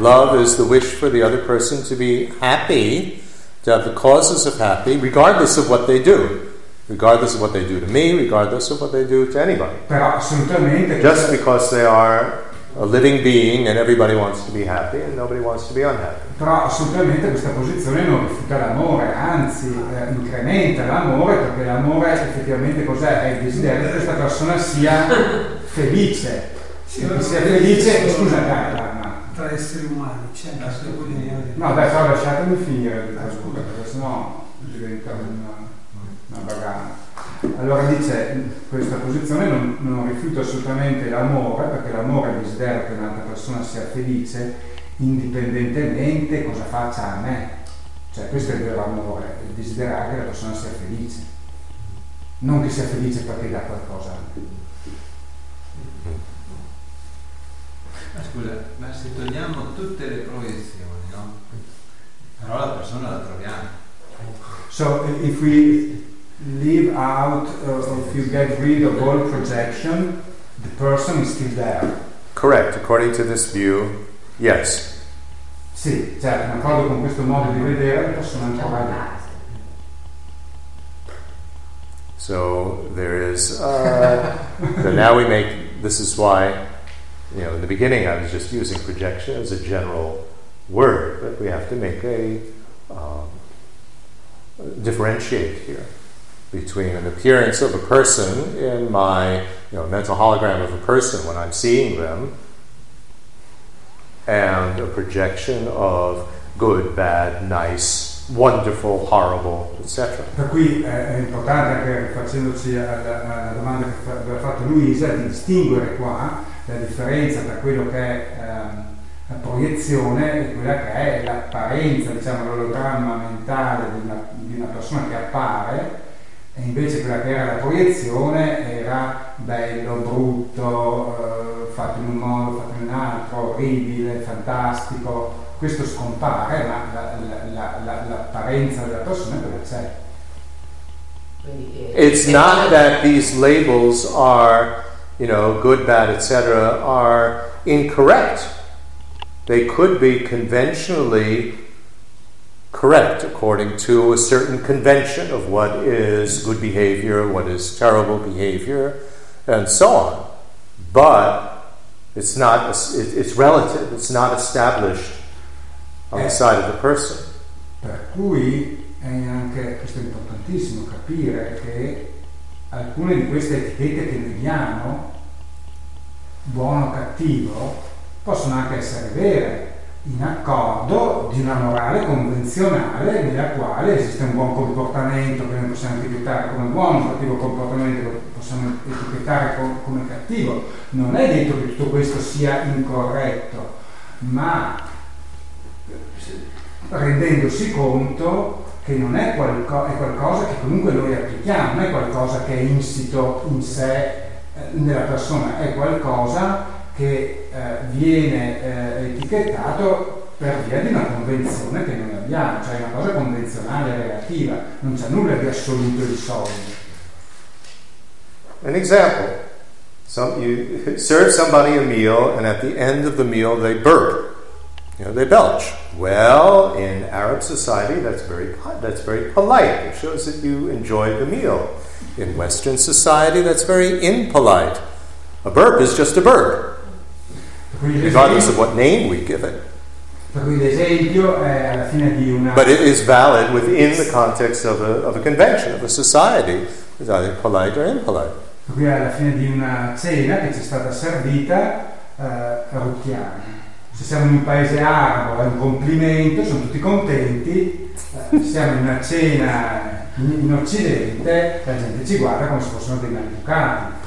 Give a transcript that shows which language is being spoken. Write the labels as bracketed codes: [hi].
[en] Love is the wish for the other person to be happy, to have the causes of happy, regardless of what they do. Regardless of what they do to me, regardless of what they do to anybody. [it] Però assolutamente. [en] Just because they are a living being and everybody wants to be happy and nobody wants to be unhappy. [it] Però assolutamente questa posizione non rifiuta l'amore, anzi incrementa l'amore, perché l'amore effettivamente cos'è? È il desiderio che questa persona sia felice. Sì, che sia felice, scusa Carla, ma tra esseri umani c'è una sorta di... No, dai, però lasciatemi finire, scusa, perché sennò diventa una bagana. Allora dice, questa posizione non rifiuta assolutamente l'amore, perché l'amore è il desiderio che un'altra persona sia felice indipendentemente cosa faccia a me. Cioè questo è il vero amore, il desiderare che la persona sia felice. Non che sia felice perché dà qualcosa a me. Ma scusa, ma se togliamo tutte le proiezioni, no? Però la persona la troviamo. [en] So if we leave out if you get rid of all projection, the person is still there. Correct, according to this view, yes. [it] Sì, certo, ma proprio con questo modo di vedere la persona ancora là. [en] So there is so now we make this is why, you know, in the beginning I was just using projection as a general word, but we have to make a differentiate here between an appearance of a person in my, you know, mental hologram of a person when I'm seeing them, and a projection of good, bad, nice, wonderful, horrible, etc. [it] Per cui è importante anche facendoci la domanda che aveva fatto Luisa di distinguere qua la differenza tra quello che è la proiezione e quella che è l'apparenza, diciamo l'ologramma mentale di una persona che appare, e invece quella che era la proiezione era bello, brutto, fatto in un modo, fatto in un altro, orribile, fantastico. Questo scompare, ma l'apparenza della persona è quella che c'è. [en] It's not that these labels are, you know, good, bad, etc., are incorrect. They could be conventionally correct according to a certain convention of what is good behavior, what is terrible behavior, and so on. But it's not, it's relative, it's not established on the side of the person. [it] Per cui è anche, questo è importantissimo, capire che alcune di queste etichette che vediamo, buono o cattivo, possono anche essere vere, in accordo di una morale convenzionale nella quale esiste un buon comportamento che noi possiamo etichettare come buono, un cattivo comportamento che possiamo etichettare come cattivo. Non è detto che tutto questo sia incorretto, ma rendendosi conto che non è è qualcosa che comunque noi applichiamo, non è qualcosa che è insito in sé nella persona, è qualcosa che viene etichettato per via di una convenzione che noi abbiamo, cioè una cosa convenzionale relativa, non c'è nulla di assoluto di solito. [en] An example: you serve somebody a meal and at the end of the meal they burp, you know, they belch. Well, in Arab society that's very polite, it shows that you enjoy the meal. In Western society that's very impolite. A burp is just a burp, regardless of what name we give it. [it] Per cui l'esempio è alla fine di una... [en] But it is valid within the context of a convention, of a society. It's either polite or impolite. [it] Per cui alla fine di una cena che ci è stata servita, ruttiamo. Se siamo in un paese arabo è un complimento, sono tutti contenti. Se siamo in una cena in Occidente, la gente ci guarda come se fossero dei malducati.